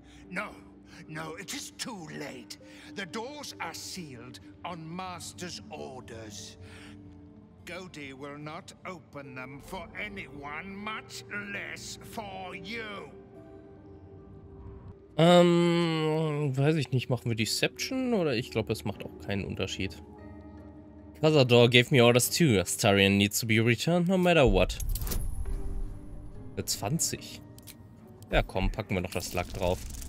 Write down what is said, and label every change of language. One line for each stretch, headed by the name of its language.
English: No, no, it is too late. The doors are sealed on master's orders. Goldie will not open them for anyone, much less for you.
German: Weiß ich nicht, machen wir Deception oder ich glaube, es macht auch keinen Unterschied.
English: Cazador gave me orders too. Astarion needs to be returned no matter what.
German: 20. Ja komm, packen wir noch das Lack drauf.